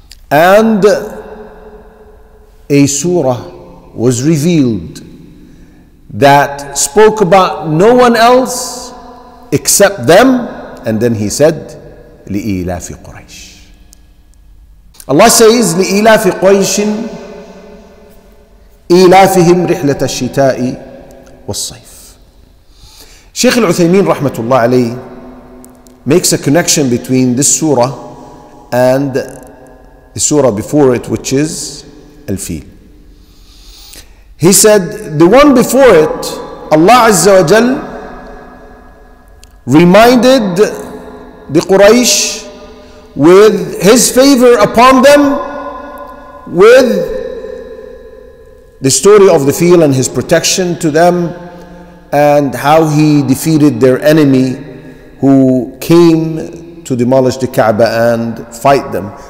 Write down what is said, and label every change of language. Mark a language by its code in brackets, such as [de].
[en] And a surah was revealed that spoke about no one else except them. And then he said, [ar] لِإِلَافِ قُرَيْشِ. [en] Allah says, [ar] لِإِلَافِ قُرَيْشٍ إِلَافِهِمْ رِحْلَةَ الشِّتَاءِ وَالصَّيْفِ. [en] Sheikh Al-Uthaymeen rahmatullah alayhi makes a connection between this surah and the surah before it, which is Al-Fil. He said, the one before it, Allah Azza wa Jal reminded the Quraysh with his favor upon them with the story of the Fil and his protection to them and how he defeated their enemy who came to demolish the Kaaba and fight them.